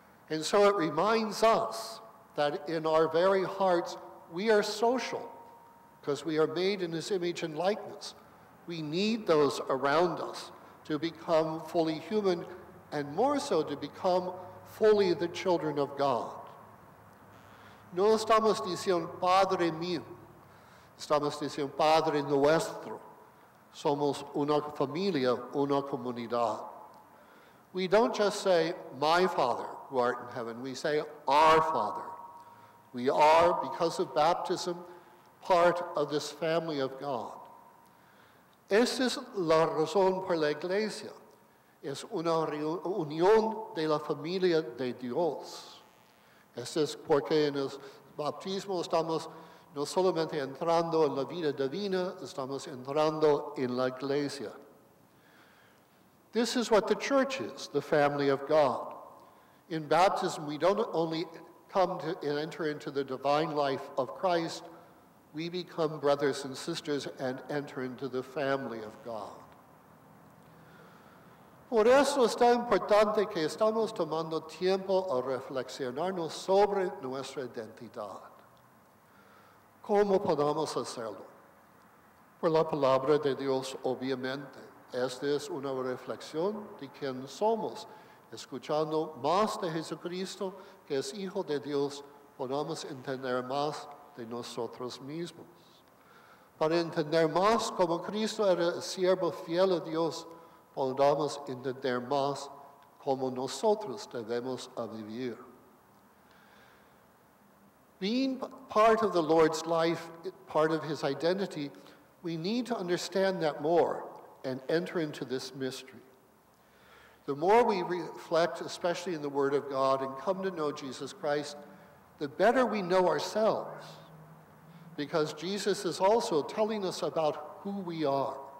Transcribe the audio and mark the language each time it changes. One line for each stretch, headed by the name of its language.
English: And so it reminds us that in our very hearts, we are social. Because we are made in his image and likeness. We need those around us to become fully human and more so to become fully the children of God.
Spanish: No estamos diciendo Padre mío, estamos diciendo Padre nuestro. Somos una familia, una comunidad.
English: We don't just say, my Father who art in heaven, we say, our Father. We are, because of baptism, part of this family of God.
Spanish: Esta es la razón por la iglesia. Es una unión de la familia de Dios. Esto es porque en el bautismo estamos no solamente entrando en la vida divina, estamos entrando en la iglesia. This is what the church is, the family of God. In baptism, we don't only come to enter into the divine life of Christ, we become brothers and sisters and enter into the family of God. Por eso es tan importante que estamos tomando tiempo a reflexionarnos sobre nuestra identidad. ¿Cómo podemos hacerlo? Por la palabra de Dios, obviamente. Esta es una reflexión de quién somos. Escuchando más de Jesucristo, que es Hijo de Dios, podamos entender más de nosotros mismos. Para entender más cómo Cristo era el siervo fiel a Dios, podamos entender más cómo nosotros debemos vivir.
English: Being part of the Lord's life, part of his identity, we need to understand that more and enter into this mystery. The more we reflect, especially in the Word of God, and come to know Jesus Christ, the better we know ourselves, because Jesus is also telling us about who we are.